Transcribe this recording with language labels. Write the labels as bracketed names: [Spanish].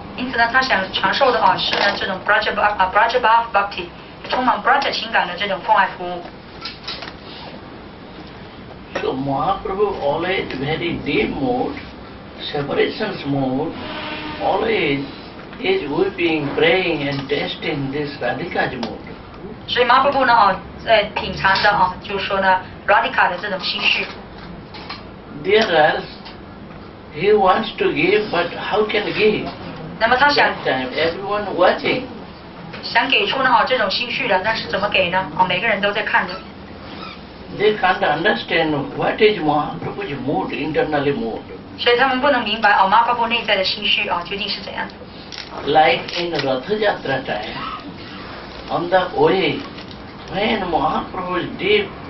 [Chinese] 因此呢，他想传授的哦，是呢这种 braja bhava bhakti， 充满 braja 情感的这种奉爱服务。 [English] So Mahaprabhu always very deep mood, separation mood, always is weeping, praying and testing this radhika mood. [Chinese] 所以马可波呢哦，在品尝的哦，就是说呢。 Radhika 的这种心绪。 [English] There is, he wants to give, but how can give? [Chinese] 那么他想。 [English] Everyone watching. [Chinese] 想给出呢哦这种心绪的，但是怎么给呢？哦，每个人都在看着。 [English] They can't understand what is Mahaprabhu's mood, internally mood. [Chinese] 所以他们不能明白哦，马可波内在的心绪哦究竟是怎样的。 [English] Like in Ratha Yatra time, on the way, when Mahaprabhu is deep.